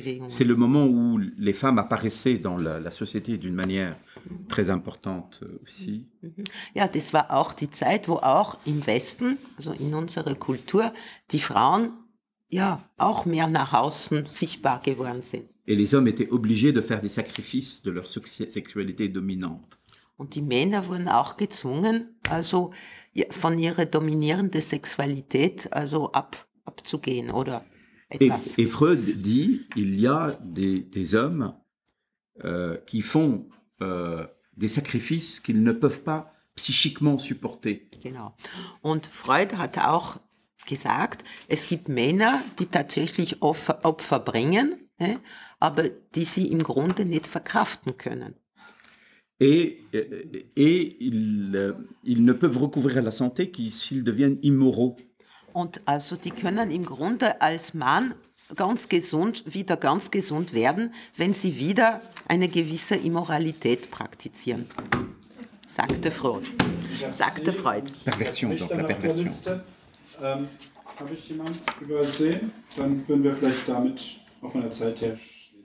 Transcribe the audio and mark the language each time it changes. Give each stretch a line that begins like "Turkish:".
French: C'est le moment où les femmes apparaissaient dans la société d'une manière très importante aussi.
German: Ja, das war auch die Zeit, wo auch im Westen, also in unserer Kultur, die Frauen ja auch mehr nach außen sichtbar geworden sind.
French: Et les hommes étaient obligés de faire des sacrifices de leur sexualité dominante.
German: Und die Männer wurden auch gezwungen, also von ihrer dominierenden Sexualität also abzugehen, oder?
French: Et Freud dit, il y a des hommes qui font des sacrifices qu'ils ne peuvent pas psychiquement supporter.
German: Genau. Und Freud hat auch gesagt, es gibt Männer, die tatsächlich Opfer bringen, aber die sie im Grunde nicht verkraften können.
French: Et ils ne peuvent recouvrir la santé que s'ils deviennent immoraux.
German: Und also die können im Grunde als Mann ganz gesund, wieder ganz gesund werden, wenn sie wieder eine gewisse Immoralität praktizieren, sagte Freud. Sagte Freud.
French: Perversion, doch, la perversion.
German: Habe ich jemanden übersehen? Dann würden wir vielleicht damit auch von der Zeit her schließen.